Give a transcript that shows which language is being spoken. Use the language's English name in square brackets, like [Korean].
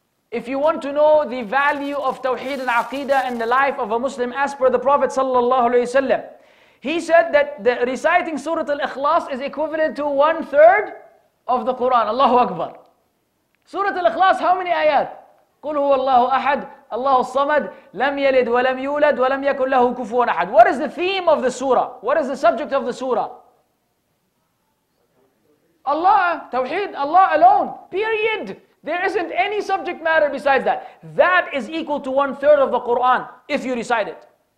[English] If you want to know the value of Tawheed and Aqeedah in the life of a Muslim, as per the Prophet ﷺ, he said that the reciting Surah Al-Ikhlas is equivalent to 1/3 of the Quran. Allahu Akbar. Surah Al-Ikhlas, how many ayat? [Arabic] قُلْ هُوَ اللَّهُ أَحَدْ اللَّهُ الصَّمَدْ لَمْ يَلِدْ وَلَمْ يُولَدْ وَلَمْ يَكُنْ لَهُ كُفُوًا أَحَدْ [English] What is the theme of the surah? What is the subject of the surah? Allah, Tawheed, Allah alone, period. There isn't any subject matter besides that. That is equal to 1/3 of the Quran if you recite it.